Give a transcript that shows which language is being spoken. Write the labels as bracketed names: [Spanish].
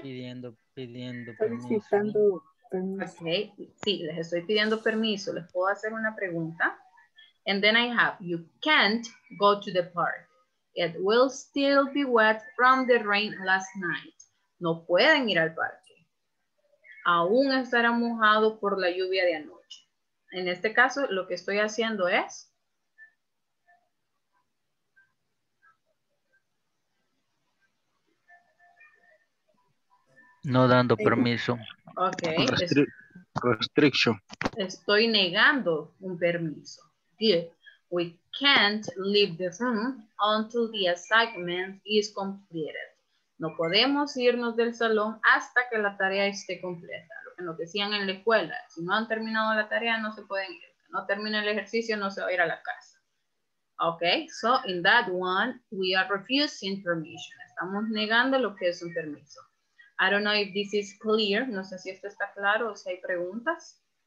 [Spanish] Pidiendo permiso. Okay. Sí, les estoy pidiendo permiso. ¿Les puedo hacer una pregunta? [English] And then I have, you can't go to the park. It will still be wet from the rain last night. [Spanish] No pueden ir al parque. Aún estará mojado por la lluvia de anoche. En este caso, lo que estoy haciendo es... No dando permiso. [English] Okay. Restriction. [Spanish] Estoy negando un permiso. [English] Good. We can't leave the room until the assignment is completed. [Spanish] No podemos irnos del salón hasta que la tarea esté completa. Lo que nos decían en la escuela. Si no han terminado la tarea, no se pueden ir. Si no termina el ejercicio, no se va a ir a la casa. [English] Okay. So in that one, we are refusing permission. [Spanish] Estamos negando lo que es un permiso. [English] I don't know if this is clear. [Spanish] No sé si esto está claro o si hay preguntas.